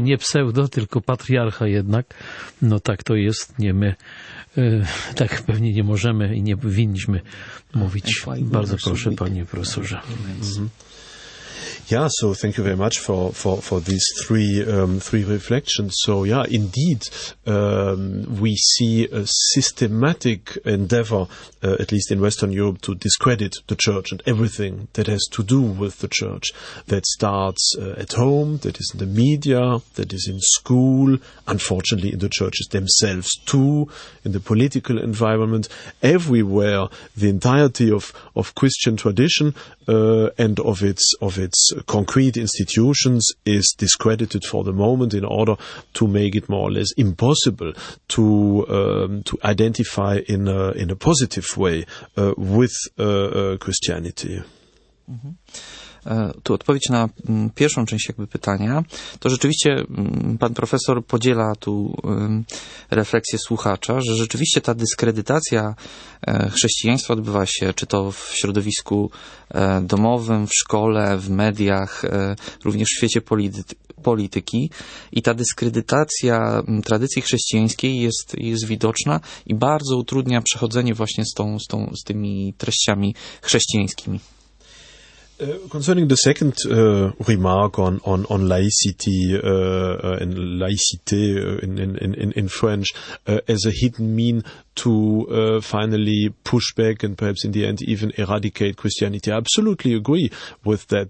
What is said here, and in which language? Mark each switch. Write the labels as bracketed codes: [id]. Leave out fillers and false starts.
[pl] Nie pseudo, tylko patriarcha jednak. No tak to jest. Nie my. Tak pewnie nie możemy i nie powinniśmy mówić. Bardzo proszę, panie profesorze. [en] Yeah, so thank you very much for these three reflections. So yeah, indeed, we see a systematic endeavor, at least in Western Europe, to discredit the church and everything that has to do with the church. That starts at home, that is in the media, that is in school, unfortunately in the churches themselves too, in the political environment, everywhere, the entirety of Christian tradition and of its concrete institutions is discredited for the moment in order to make it more or less impossible to identify in a positive way with Christianity. [pl] Tu odpowiedź na pierwszą część jakby pytania. To rzeczywiście pan profesor podziela tu refleksję słuchacza, że rzeczywiście ta dyskredytacja chrześcijaństwa odbywa się, czy to w środowisku domowym, w szkole, w mediach, również w świecie polityki. I ta dyskredytacja tradycji chrześcijańskiej jest widoczna i bardzo utrudnia przechodzenie właśnie z tymi treściami chrześcijańskimi. [en] Concerning the second remark on laïcité and laïcité in French as a hidden mean to finally push back and perhaps in the end even eradicate Christianity, I absolutely agree with that.